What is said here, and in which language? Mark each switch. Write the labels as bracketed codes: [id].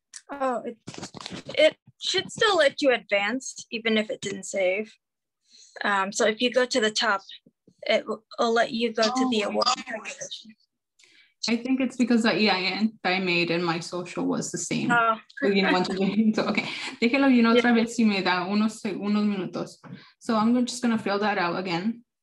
[en] Oh, it should still let you advance, even if it didn't save. So if you go to the top, it will let you go to the award. I think it's because the EIN that I made in my social was the same. [es] Déjelo bien otra vez si me da unos minutos. [en] So I'm just going to fill that out again.